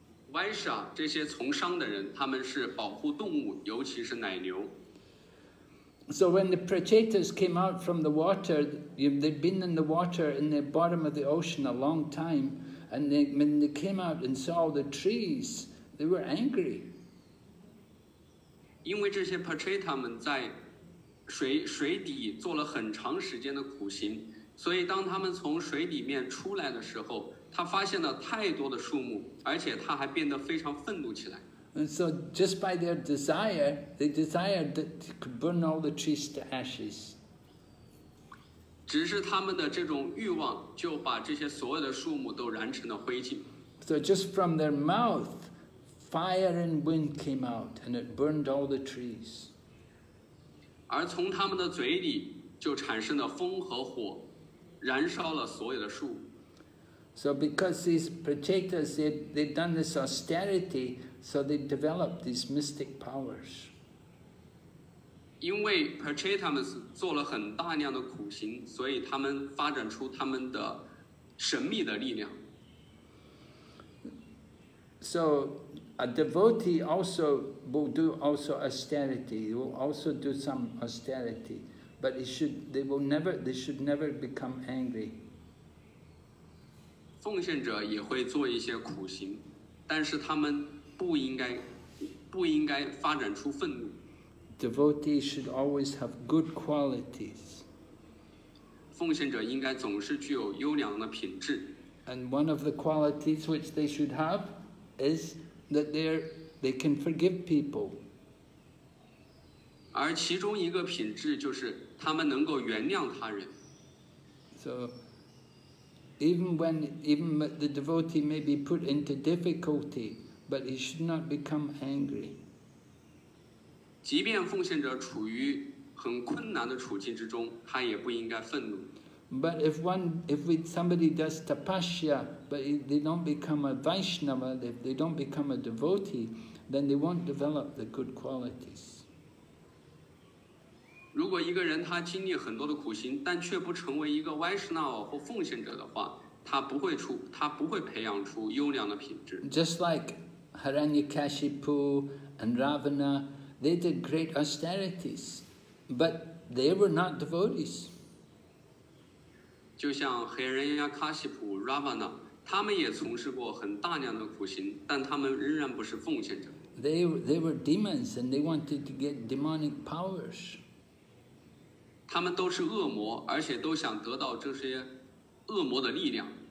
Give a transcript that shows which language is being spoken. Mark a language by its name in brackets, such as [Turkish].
[Chinese] Vaishya, 这些从商的人，他们是保护动物，尤其是奶牛。 [English] So when the Prachetas came out from the water, they'd been in the water in the bottom of the ocean a long time, And they, when they came out and saw the trees, they were angry. [Chinese] 因为这些 Pacheta 们在 水底做了很长时间的苦行，所以当他们从水里面出来的时候，他发现了太多的树木，而且他还变得非常愤怒起来。 [English] And so just by their desire, they desired that they could burn all the trees to ashes. [Chinese] 只是他们的这种欲望就把这些所有的树木都燃成了灰烬。 [English] So just from their mouth, fire and wind came out, and it burned all the trees. [Chinese] 而从他们的嘴里就产生了风和火，燃烧了所有的树。 [English] So because these Pachetas, they'd done this austerity, so they developed these mystic powers. [Chinese] 因为 Pachetas 们做了很大量的苦行，所以他们发展出他们的神秘的力量。 [English] So a devotee also will do also austerity, he will also do some austerity, but they should never become angry. [Chinese] 奉献者也会做一些苦行，但是他们不应该发展出愤怒。 [English] Devotees should always have good qualities. [Chinese] 奉献者应该总是具有优良的品质。 [English] And one of the qualities which they should have is that they can forgive people. [Chinese] 而其中一个品质就是他们能够原谅他人。 [English] So,Even the devotee may be put into difficulty, but he should not become angry. [Chinese] 即便奉献者处于很困难的处境之中，他也不应该愤怒。 [English] But if somebody does tapasya, but they don't become a Vaishnava, if they don't become a devotee, then they won't develop the good qualities. [Chinese] 如果一个人他经历很多的苦行，但却不成为一个 Vaishnava 或奉献者的话，他不会培养出优良的品质。 [English] Just like Hiranyakashipu and Ravana, they did great austerities, but they were not devotees. [Chinese] 就像 Hiranyakashipu, Ravana, 他们也从事过很大量的苦行，但他们仍然不是奉献者。 [English] They were demons and they wanted to get demonic powers. [Chinese] 他们都是恶魔，而且都想得到这些恶魔的力量。